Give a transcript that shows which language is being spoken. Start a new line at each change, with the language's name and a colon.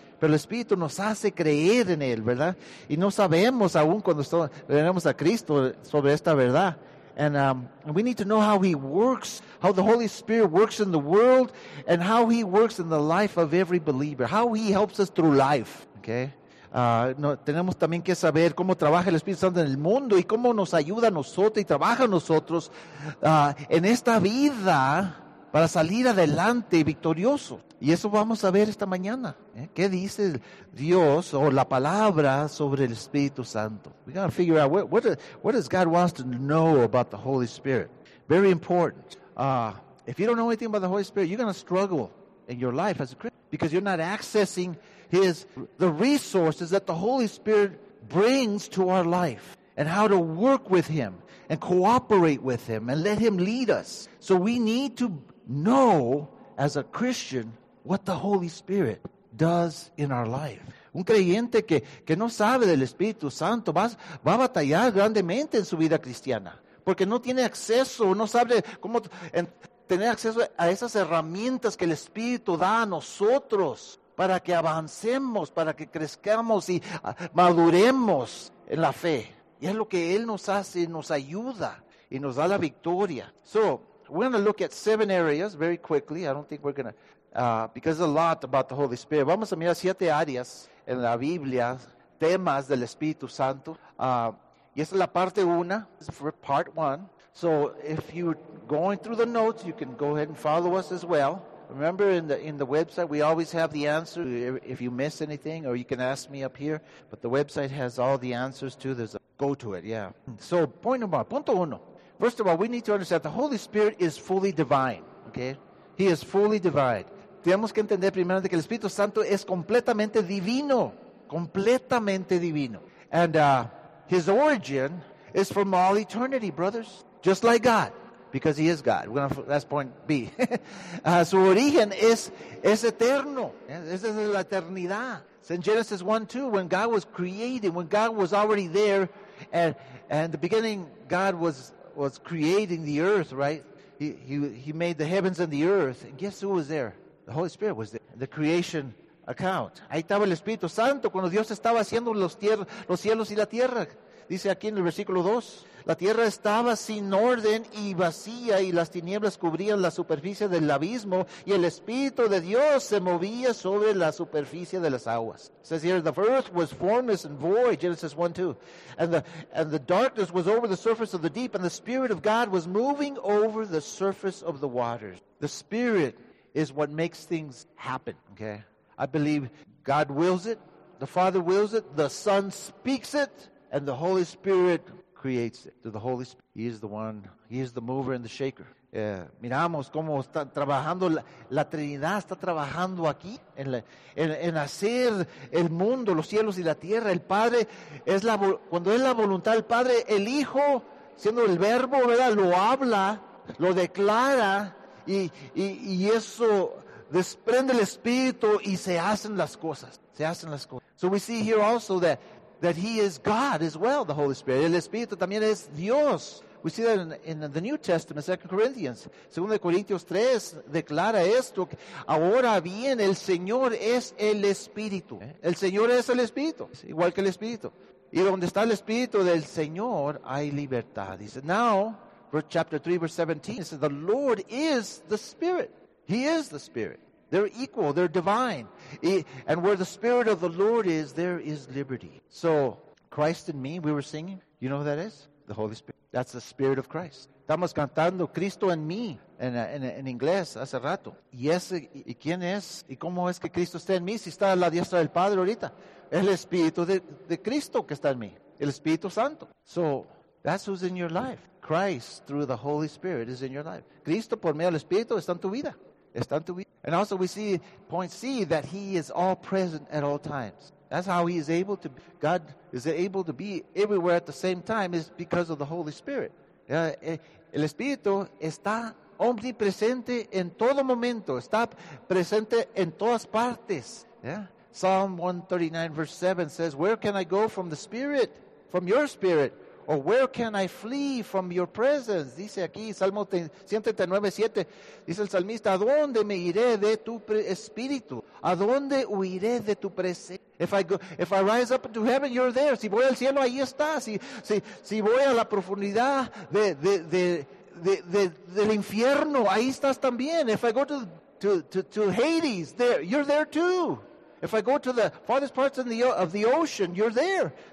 Spanish: Pero el Espíritu nos hace creer en Él, ¿verdad? Y no sabemos aún cuando venimos a Cristo sobre esta verdad.
English: And we need to know how He works, how the Holy Spirit works in the world, and how He works in the life of every believer, how He helps us through life, okay?
Spanish: Tenemos también que saber cómo trabaja el Espíritu Santo en el mundo y cómo nos ayuda a nosotros y trabaja a nosotros en esta vida para salir adelante victorioso. Y eso vamos a ver esta mañana. ¿Qué dice Dios o la palabra sobre el Espíritu Santo?
English: We got to figure out what does God want us to know about the Holy Spirit. Very important. If you don't know anything about the Holy Spirit, you're going to struggle in your life as a Christian because you're not accessing the resources that the Holy Spirit brings to our life and how to work with Him and cooperate with Him and let Him lead us. So we need to know as a Christian what the Holy Spirit does in our life.
Spanish: Un creyente que no sabe del Espíritu Santo va a batallar grandemente en su vida cristiana porque no tiene acceso, no sabe cómo tener acceso a esas herramientas que el Espíritu da a nosotros para que avancemos, para que crezcamos y maduremos en la fe. Y es lo que Él nos hace, nos ayuda y nos da la victoria.
English: So, we're going to look at seven areas very quickly. I don't think we're going to, because there's a lot about the Holy Spirit.
Spanish: Vamos a mirar siete áreas en la Biblia, temas del Espíritu Santo. Y esa es la parte una,
English: for part one. So if you're going through the notes, you can go ahead and follow us as well. Remember in the website, we always have the answer if you miss anything, or you can ask me up here. But the website has all the answers too. There's a go to it, yeah. So
Spanish: punto uno.
English: First of all, we need to understand the Holy Spirit is fully divine, okay? He is fully divine.
Spanish: Tenemos que entender primero que el Espíritu Santo es completamente divino. Completamente divino.
English: And His origin is from all eternity, brothers. Just like God. Because He is God. That's point B.
Spanish: su origen es eterno. Es desde la eternidad.
English: It's in Genesis 1:2, when God was created, when God was already there, and the beginning, God was creating the earth, right? He made the heavens and the earth. And guess who was there? The Holy Spirit was there. The creation account.
Spanish: Ahí estaba el Espíritu Santo cuando Dios estaba haciendo los cielos y la tierra. Dice aquí en el versículo 2. La tierra estaba sin orden y vacía y las tinieblas cubrían la superficie del abismo y el Espíritu de Dios se movía sobre la superficie de las aguas.
English: It says here, the earth was formless and void, Genesis 1:2. And the darkness was over the surface of the deep and the Spirit of God was moving over the surface of the waters. The Spirit is what makes things happen, okay? I believe God wills it, the Father wills it, the Son speaks it, and the Holy Spirit creates it. To the Holy Spirit, He is the one, He is the mover and the shaker.
Spanish: Miramos cómo está trabajando la Trinidad, está trabajando aquí en hacer el mundo, los cielos y la tierra. El Padre es cuando es la voluntad del Padre, el Hijo, siendo el Verbo, ¿verdad? Lo habla, lo declara y eso desprende el Espíritu y se hacen las cosas. Se hacen las cosas.
English: So we see here also that He is God as well, the Holy Spirit.
Spanish: El Espíritu también es Dios.
English: We see that in the New Testament, 2 Corinthians.
Spanish: 2 Corintios 3 declara esto. Ahora bien, el Señor es el Espíritu. El Señor es el Espíritu. Es igual que el Espíritu. Y donde está el Espíritu del Señor, hay libertad.
English: He said, now, verse chapter 3, verse 17. He said, the Lord is the Spirit. He is the Spirit. They're equal. They're divine. And where the Spirit of the Lord is, there is liberty. So, Christ in me, we were singing. You know who that is? The Holy Spirit. That's the Spirit of Christ.
Spanish: Estamos cantando Cristo en mí, en inglés, hace rato. Y ese, ¿y quién es? ¿Y cómo es que Cristo está en mí? Si está a la diestra del Padre ahorita. El Espíritu de Cristo que está en mí. El Espíritu Santo.
English: So, that's who's in your life. Christ, through the Holy Spirit, is in your life.
Spanish: Cristo, por medio del Espíritu, está en tu vida. Está en tu vida.
English: And also we see, point C, that he is all present at all times. That's how he is able to, God is able to be everywhere at the same time, is because of the Holy Spirit.
Spanish: El Espíritu está omnipresente en todo momento. Está presente en todas partes.
English: Yeah? Psalm 139, verse 7 says, where can I go from the Spirit, from your Spirit? Or where can I flee from your presence?
Spanish: Dice aquí, Salmo 139, 7. Dice el salmista, ¿a dónde me iré de tu Espíritu? ¿A dónde huiré de tu presencia?
English: If I rise up into heaven, you're there.
Spanish: Si voy al cielo, ahí estás. Si voy a la profundidad del infierno, ahí estás también.
English: If I go to Hades, there, you're there too. If I go to the farthest parts of the ocean, you're there.